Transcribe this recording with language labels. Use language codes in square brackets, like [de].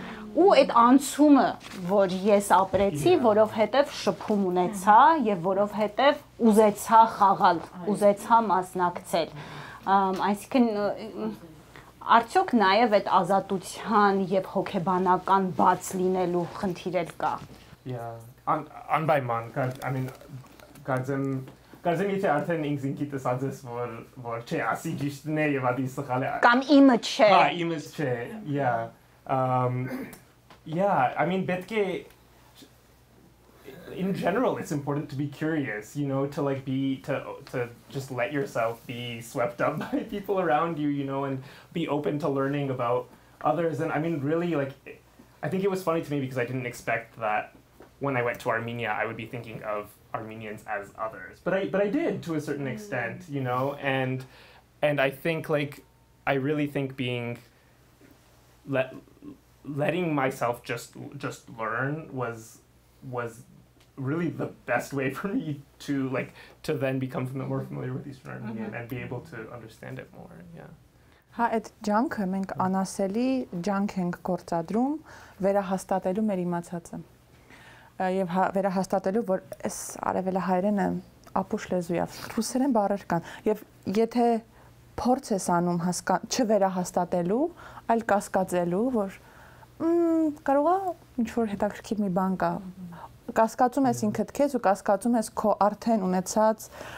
[hy] Ու այդ անցումը, որ ես ապրեցի, որովհետև շփում ունեցա եւ որովհետև ուզեցա խաղալ, ուզեցա մասնակցել, այսինքն արդյոք նաեւ այդ ազատության եւ հոգեբանական բաց լինելու խնդիրը կա։ [en] Yeah, [hy] անպայման, [en] I mean, [hy] կարծեմ եթե արդեն ինքս ինքիդս ասես, որ չէ, ասի ճիշտն է եւ ադի սխալը, կամ իմը չէ, հա, իմը չէ, [en] yeah. Yeah, I mean, betke in general it's important to be curious, you know, to like be to just let yourself be swept up by people around you, you know, and be open to learning about others. And I mean, really, like, I think it was funny to me because I didn't expect that when I went to Armenia I would be thinking of Armenians as others, but I did to a certain extent, you know, and I think like I really think being letting myself just learn was really the best way for me to like to then become more familiar with Eastern Armenian mm-hmm. and be able to understand it more. Yeah. [hy] Հա, այդ ջանքը մենք անասելի ջանք ենք գործադրում վերահաստատելու մեր իմացածը։ Եվ վերահաստատելու, որ այս արևելահայերենը ապուշ լեզույավ, ռուսերեն բարեր կան։ Եվ եթե փորձ ես անում չվերահաստատելու, այլ կասկածելու, որ կարող է ինչ-որ հետաքրքիր մի բան կա, կասկածում ես ինքդ քեզ ու կասկածում ես քո արդեն ունեցած